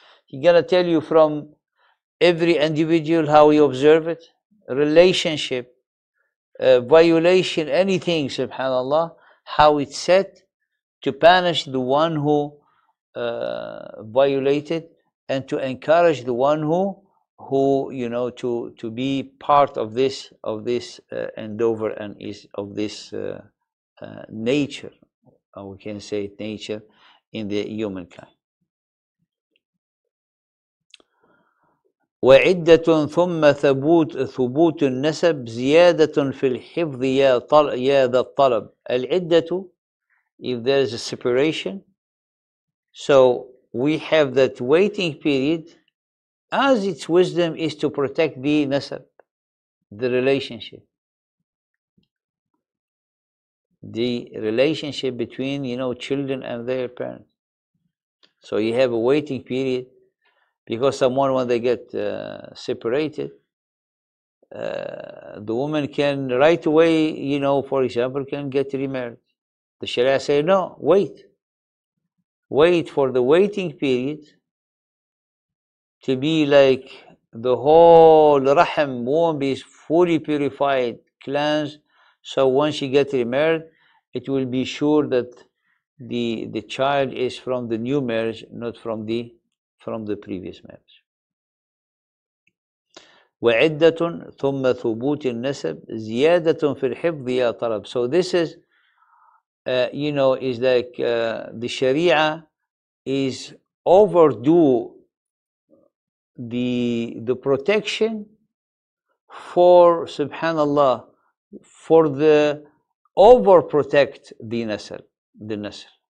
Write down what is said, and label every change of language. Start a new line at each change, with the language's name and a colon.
English: He's gonna tell you from every individual how he observe it, relationship, violation, anything, subhanAllah, how it's set to punish the one who violated and to encourage the one who you know to be part of this endeavor and is of this nature, or we can say it nature in the humankind.
Arabic: وعدة ثم ثبوت النسب زيادة في الحفظ يا ذا الطلب.
English: العدة, if there is a separation, so we have that waiting period as its wisdom is to protect the nasab, the relationship. The relationship between, you know, children and their parents. So you have a waiting period because someone, when they get separated, the woman can right away, you know, for example, can get remarried. The Sharia say, no, wait. Wait for the waiting period to be like the whole rahim womb is fully purified, cleansed. So once she gets remarried, it will be sure that the child is from the new marriage, not from the previous marriage.
Arabic: وعدة ثم ثبوت النسب زيادة في الحفظ يا طلب.
English: So this is you know, is like the Sharia is overdue the protection for, subhanallah, for the over protect the nasr, the nasr.